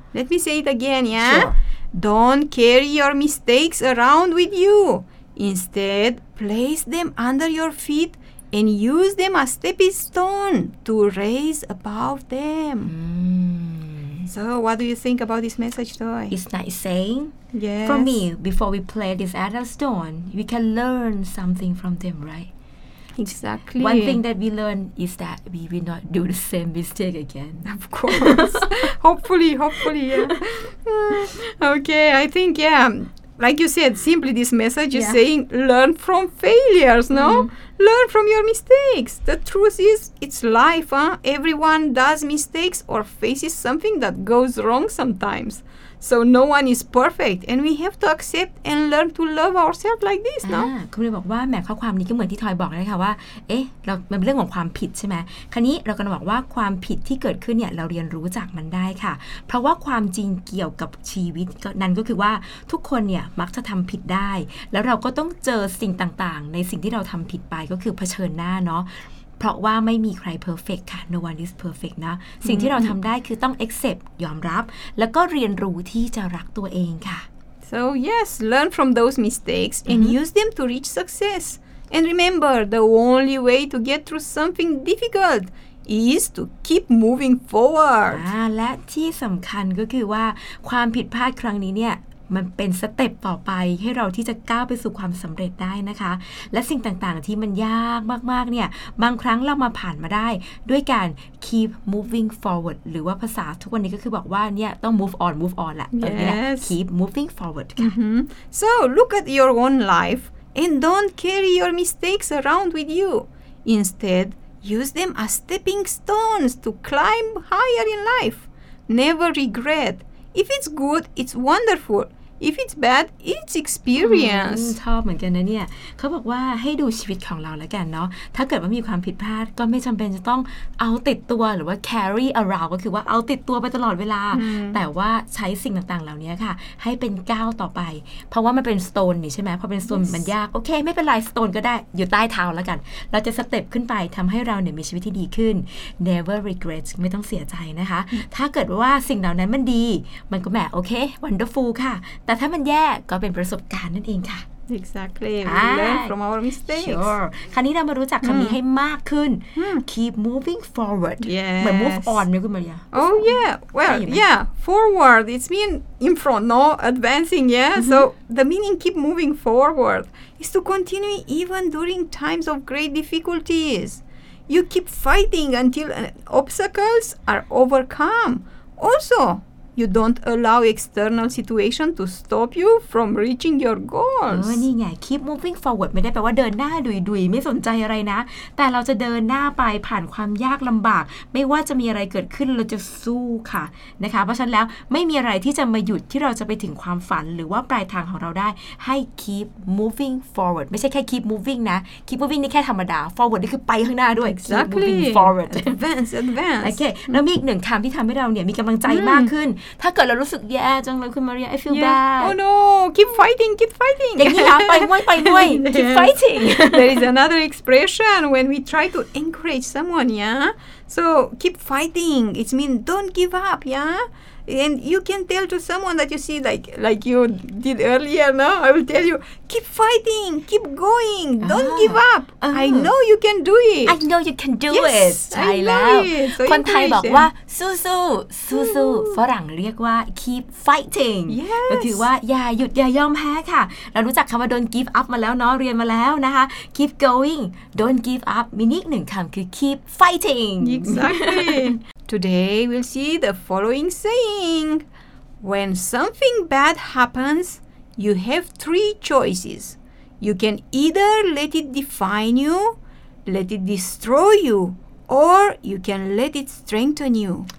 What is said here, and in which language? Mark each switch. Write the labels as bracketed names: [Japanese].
[English] Let me say it again, yeah? Don't carry your mistakes around with you. Instead, place them under your feet. And use them as stepping stone to raise above them. So what do you think about this message, Toy? It's nice saying. Yes. For me, before we play this other stone, we can learn something from them, right? Exactly. One thing that we learn is that we will not do the same mistake again. Of course. hopefully, yeah. Okay, I think, yeah. Like you said, simply this message is saying, learn from failures, no? Learn from your mistakes. The truth is, it's life, huh? Everyone does mistakes or faces something that goes wrong sometimes. So no one is perfect, and we have to accept and learn to love ourselves like this, no? [Thai] คุณเลยบอกว่าแม้ข้อความนี้ก็เหมือนที่ทอยบอกเลยค่ะว่าเอ๊ะเรามันเป็นเรื่องของความผิดใช่ไหมคราวนี้เรากำลังบอกว่าความผิดที่เกิดขึ้นเนี่ยเราเรียนรู้จากมันได้ค่ะเพราะว่าความจริงเกี่ยวกับชีวิตนั้นก็คือว่าทุกคนเนี่ยมักจะทำผิดได้แล้วเราก็ต้องเจอสิ่งต่างๆในสิ่งที่เราทำผิดไปก็คือเผชิญหน้าเนาะเพราะว่าไม่มีใครเพอร์เฟคค่ะ [English] no one is perfect [Thai] นะสิ่งที่เราทำได้คือต้อง accept ยอมรับแล้วก็เรียนรู้ที่จะรักตัวเองค่ะ [English] so yes learn from those mistakes and use them to reach success and remember the only way to get through something difficult is to keep moving forward [Thai] และที่สำคัญก็คือว่าความผิดพลาดครั้งนี้เนี่ยมันเป็นสเต็ปต่อไปให้เราที่จะก้าวไปสู่ความสำเร็จได้นะคะและสิ่งต่างๆที่มันยากมากๆเนี่ยบางครั้งเรามาผ่านมาได้ด้วยการ [English] keep moving forward [Thai] หรือว่าภาษาทุกวันนี้ก็คือบอกว่าเนี่ยต้อง [English] move on [Thai] ละ [English] yes. keep moving forward ค่ะ so look at your own life and don't carry your mistakes around with you instead use them as stepping stones to climb higher in life never regretIf it's good, it's wonderful. If it's bad, it's experience. [Thai] ชอบเหมือนกันนะเนี่ยเขาบอกว่าให้ดูชีวิตของเราแล้วกันเนาะถ้าเกิดว่ามีความผิดพลาดก็ไม่จำเป็นจะต้องเอาติดตัวหรือว่า [English] carry around [Thai] ก็คือว่าเอาติดตัวไปตลอดเวลา แต่ว่าใช้สิ่งต่างๆเหล่านี้ค่ะให้เป็นก้าวต่อไปเพราะว่ามันเป็น stone นี่ใช่ไหมพอเป็น stone มันยากโอเคไม่เป็นไร stone ก็ได้อยู่ใต้เท้าแล้วกันเราจะสเต็ปขึ้นไปทำให้เราเนี่ยมีชีวิตที่ดีขึ้น [English] never regret [Thai] ไม่ต้องเสียใจนะคะถ้าเกิดว่าสิ่งเหล่านั้นมันดีมันก็แหมโอเค wonderful ค่ะแต่ถ้ามันแย่ก็เป็นประสบการณ์นั่นเองค่ะ [English] Exactly We learn from our mistakes [Thai] Sure คราวนี้เรามารู้จักคำนี้ให้มากขึ้น [English] Keep moving forward Yes [Thai] เหมือน [English] move on [Thai] ไหมคุณมาริยา [English] Oh yeah Well yeah Forward It's mean in front No advancing yeah So the meaning keep moving forward Is to continue even during times of great difficulties You keep fighting until obstacles are overcome Also you don't allow external situation to stop you from reaching your goals [Thai] นี่ไง [English] keep moving forward [Thai] ไม่ได้แปลว่าเดินหน้าดุยดุยไม่สนใจอะไรนะแต่เราจะเดินหน้าไปผ่านความยากลำบากไม่ว่าจะมีอะไรเกิดขึ้นเราจะสู้ค่ะนะคะเพราะฉะนั้นแล้วไม่มีอะไรที่จะมาหยุดที่เราจะไปถึงความฝันหรือว่าปลายทางของเราได้ให้ [English] keep moving [Thai] forward ไม่ใช่แค่ keep moving นะ keep moving นี่แค่ธรรมดา forward นี่คือไปข้างหน้าด้วย [English] exactly. keep moving forward advance advance [Thai] โอเคแล้วมีอีกหนึ่งคำที่ทำให้เราเนี่ยมีกำลังใจมากขึ้นถ้าเกิดเรารู้สึกแย่จังเลยคุณมาเรีย [English] I feel bad oh no keep fighting keep fighting [Thai] อย่างนี้ค่ะไปด้วยไปด้วย [English] keep fighting there is another expression when we try to encourage someone yeah so keep fighting it means don't give up yeahAnd you can tell to someone that you see, like you did earlier, no? I will tell you, keep fighting, keep going, don't give up. I know you can do it. I know you can do yes, it. I love it. [Thai] So คนไทยบอกว่าสู้สู้สู้สู้ฝรั่งเรียกว่า [English] keep fighting. Yes. [Thai] ถือว่าอย่าหยุดอย่ายอมแพ้ค่ะเรารู้จักคำว่า [English] don't give up [Thai] มาแล้วเนาะเรียนมาแล้วนะคะ [English] keep going, don't give up. [Thai] มีอีกหนึ่งคำคือ [English] keep fighting. Exactly. Today we'll see the following saying. When something bad happens, you have three choices. You can either let it define you, let it destroy you, or you can let it strengthen you.